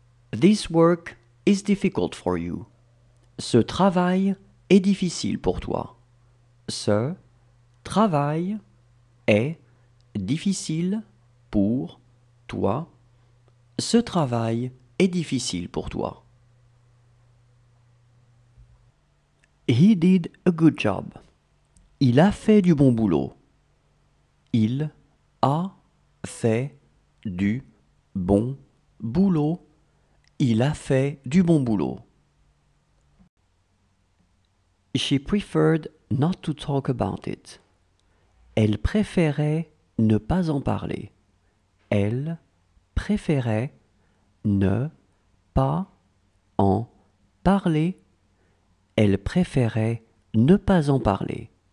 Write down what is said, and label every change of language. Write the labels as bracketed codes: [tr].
[en] This work is difficult for you. [fr] Ce travail est difficile pour toi. Ce travail est difficile pour toi. Ce travail est difficile pour toi. [en] He did a good job. [fr] Il a fait du bon boulot. Il a fait du bon boulot. Il a fait du bon boulot. [en] She preferred not to talk about it. [fr] Elle préférait ne pas en parler. Elle préférait ne pas en parler. Elle préférait ne pas en parler.